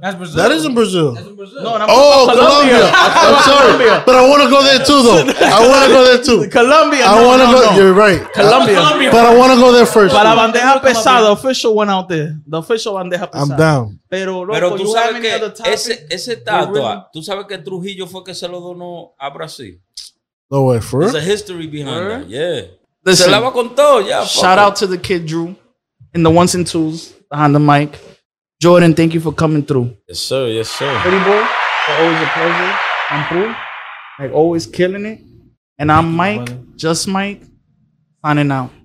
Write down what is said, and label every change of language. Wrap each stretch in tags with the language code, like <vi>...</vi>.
<en>That is in Brazil. That's in Brazil. Colombia. I'm sorry. But I want to go there too, though. Colombia. You're right. Colombia. But I want to go there first. But la bandeja pesada, the official one out there. The official bandeja pesada. I'm down.</en> <es>Pero, loco,</es> <en>you have any other topic?</en> <es>Ese tato, tú sabes que Trujillo fue que se lo donó a Brasil.</es> <en>No way, for real? There's a history behind that. Yeah.</en> <es>Se la va con todo, ya.</es> <en>Shout out to the kid, Drew, in the ones and twos behind the mic. Jordan, thank you for coming through. Yes, sir. Pretty boy, always a pleasure. I'm cool. Like, always killing it. And I'm Mike, just Mike, signing out.</en>